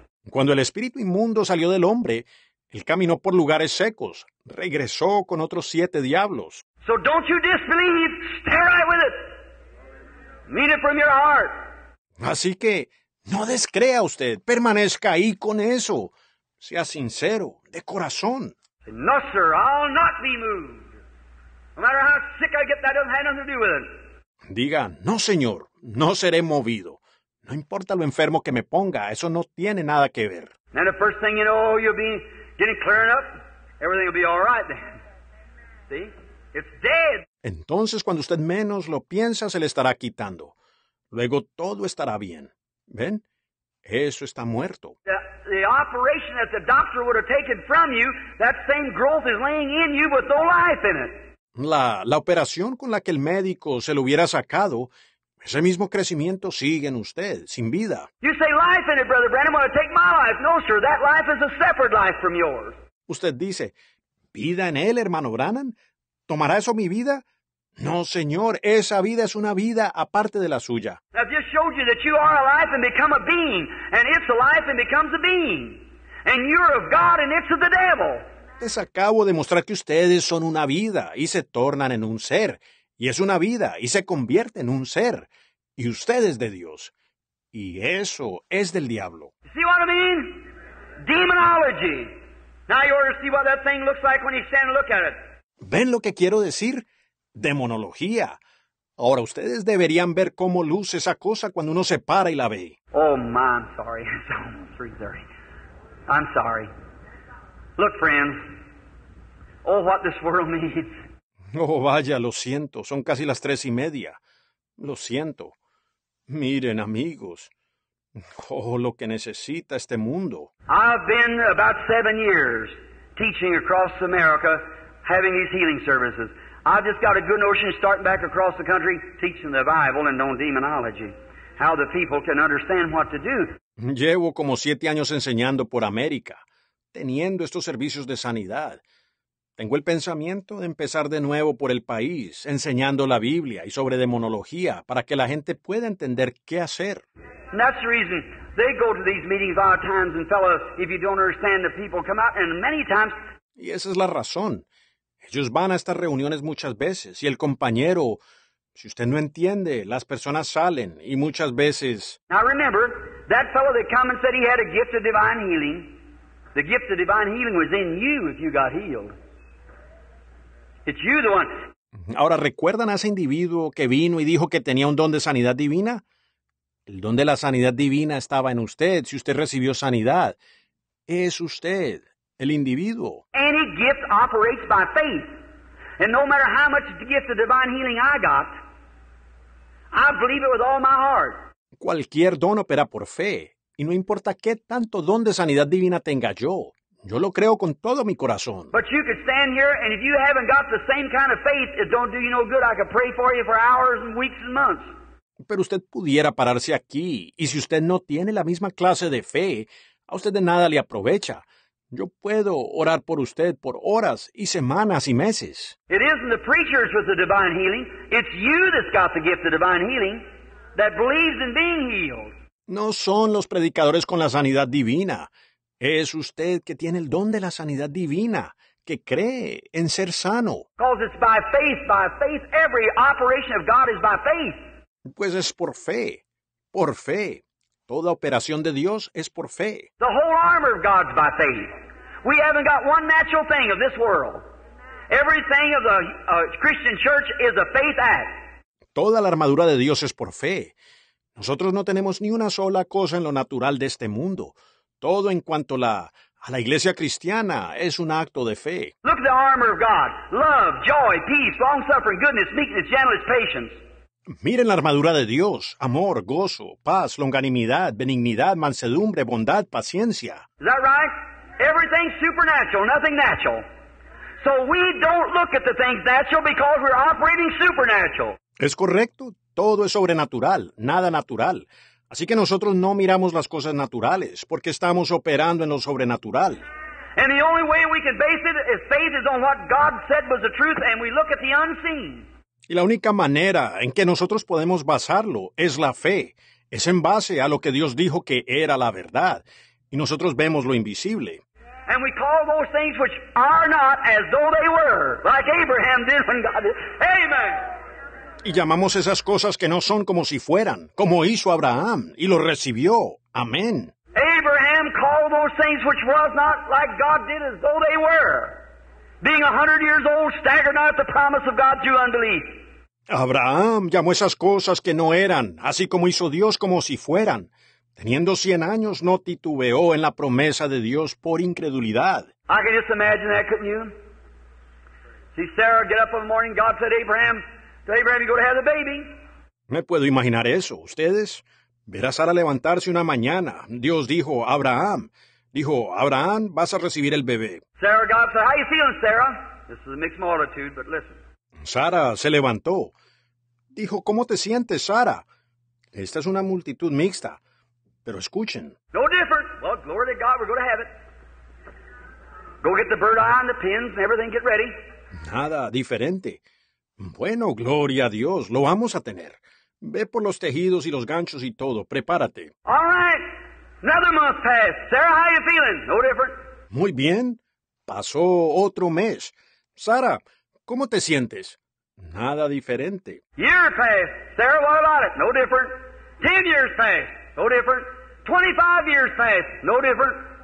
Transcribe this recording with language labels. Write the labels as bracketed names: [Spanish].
[Spanish] Cuando el espíritu inmundo salió del hombre, él caminó por lugares secos, regresó con otros siete diablos. [English] So don't you disbelieve, stay right with it. Meet it from your heart. [Spanish] Así que, no descrea usted, permanezca ahí con eso. Sea sincero, de corazón. [English] No, sir, I'll not be moved. No matter how sick I get, that doesn't have nothing to do with it. [Spanish] Diga, no, señor, no seré movido. No importa lo enfermo que me ponga, eso no tiene nada que ver. [English] And the first thing you know, you'll be getting clearing up. Everything will be all right then. See? It's dead. [Spanish] Entonces, cuando usted menos lo piensa, se le estará quitando. Luego todo estará bien. ¿Ven? Eso está muerto. [English] The operation that the doctor would have taken from you, that same growth is laying in you with no life in it. [Spanish] La operación con la que el médico se lo hubiera sacado, ese mismo crecimiento sigue en usted, sin vida. [English] You say life in it, Brother Branham, want to take my life. No, sir, that life is a separate life from yours. [Spanish] Usted dice, vida en él, hermano Branham, ¿tomará eso mi vida? No, señor, esa vida es una vida aparte de la suya. [English] I've just showed you that you are alive and become a being, and it's alive and becomes a being. And you're of God and it's of the devil. [Spanish] Les acabo de mostrar que ustedes son una vida y se tornan en un ser. Y es una vida y se convierte en un ser. Y ustedes de Dios. Y eso es del diablo. [English] You see what I mean? Demonology. Now you ought to see what that thing looks like when you stand and look at it. [Spanish] ¿Ven lo que quiero decir? Demonología. Ahora ustedes deberían ver cómo luce esa cosa cuando uno se para y la ve. [English] Oh, my, I'm sorry. It's almost 3:30. I'm sorry. Look, friends. Oh, what this world needs. [Spanish] Oh, vaya, lo siento. Son casi las 3:30. Lo siento. Miren, amigos. Oh, lo que necesita este mundo. [English] I've been about 7 years teaching across America, having these healing services. I've just got a good notion of starting back across the country teaching the Bible and on demonology, how the people can understand what to do. [Spanish] Llevo como 7 años enseñando por América, teniendo estos servicios de sanidad. Tengo el pensamiento de empezar de nuevo por el país, enseñando la Biblia y sobre demonología para que la gente pueda entender qué hacer. [English] And that's the reason they go to these meetings a lot of times and fellas, if you don't understand, the people come out and many times... [Spanish] Y esa es la razón. Ellos van a estas reuniones muchas veces y el compañero, Si usted no entiende, las personas salen y muchas veces... [English] Now remember, that fellow that came and said he had a gift of divine healing, the gift of divine healing was in you if you got healed. It's you the one. [Spanish] Ahora, ¿recuerdan a ese individuo que vino y dijo que tenía un don de sanidad divina? El don de la sanidad divina estaba en usted. Si usted recibió sanidad, es usted, el individuo. [English] Any gift operates by faith. And no matter how much gift of divine healing I got, I believe it with all my heart. [Spanish] Cualquier don opera por fe. Y no importa qué tanto don de sanidad divina tenga yo. Yo lo creo con todo mi corazón. [English] But you could stand here, and if you haven't got the same kind of faith, it don't do you no good. I could pray for you for hours and weeks and months. [Spanish] Pero usted pudiera pararse aquí, y si usted no tiene la misma clase de fe, a usted de nada le aprovecha. Yo puedo orar por usted por horas y semanas y meses. [English] It isn't the preachers with the divine healing. It's you that's got the gift of divine healing that believes in being healed. [Spanish] No son los predicadores con la sanidad divina. Es usted que tiene el don de la sanidad divina, que cree en ser sano. [English] Because it's by faith, every operation of God is by faith. [Spanish] Pues es por fe, toda operación de Dios es por fe. [English] The whole armor of God's by faith. We haven't got one natural thing of this world. Everything of the Christian church is a faith act. [Spanish] Toda la armadura de Dios es por fe. Nosotros no tenemos ni una sola cosa en lo natural de este mundo. Todo en cuanto a la iglesia cristiana es un acto de fe. [English] Look at the armor of God. Love, joy, peace, long-suffering, goodness, meekness, gentleness, patience. [Spanish] Miren la armadura de Dios. Amor, gozo, paz, longanimidad, benignidad, mansedumbre, bondad, paciencia. [English] Is that right? Everything's supernatural, nothing natural. So we don't look at the things natural because we're operating supernatural. [Spanish] Es correcto. Todo es sobrenatural, nada natural. Así que nosotros no miramos las cosas naturales porque estamos operando en lo sobrenatural. [English] And the only way we can base it is faith is on what God said was the truth and we look at the unseen. [Spanish] Y la única manera en que nosotros podemos basarlo es la fe. Es en base a lo que Dios dijo que era la verdad. Y nosotros vemos lo invisible. [English] And we call those things which are not as though they were, like Abraham did when God did. Amen. [Spanish] Y llamamos esas cosas que no son como si fueran, como hizo Abraham, y lo recibió. Amén. [English] Abraham called those things which was not like God did as though they were. Being 100 years old, staggered not at the promise of God through unbelief. [Spanish] Abraham llamó esas cosas que no eran, así como hizo Dios como si fueran. Teniendo 100 años, no titubeó en la promesa de Dios por incredulidad. [English] I can just imagine that, couldn't you? See, Sarah, get up in the morning, God said, Abraham, tell Abraham you're going to have the baby. [Spanish] Me puedo imaginar eso. Ustedes, ver a Sara levantarse una mañana. Dios dijo, Abraham. Dijo, Abraham, vas a recibir el bebé. [English] Sarah, God said, how you feeling, Sarah? This is a mixed multitude, but listen. [Spanish] Sara se levantó. Dijo, ¿cómo te sientes, Sara? Esta es una multitud mixta, pero escuchen. [English] No different. Well, glory to God, we're going to have it. Go get the bird eye and the pins and everything, get ready. [Spanish] Nada diferente. Bueno, gloria a Dios, lo vamos a tener. Ve por los tejidos y los ganchos y todo, prepárate. [English] All right. Another month passed. Sarah, how are you feeling? No different. [Spanish] Muy bien. Pasó otro mes. Sara, ¿cómo te sientes? Nada diferente. [English] Year passed. Sarah, what about it? No different. 10 years passed. No different. 25 years passed. No different.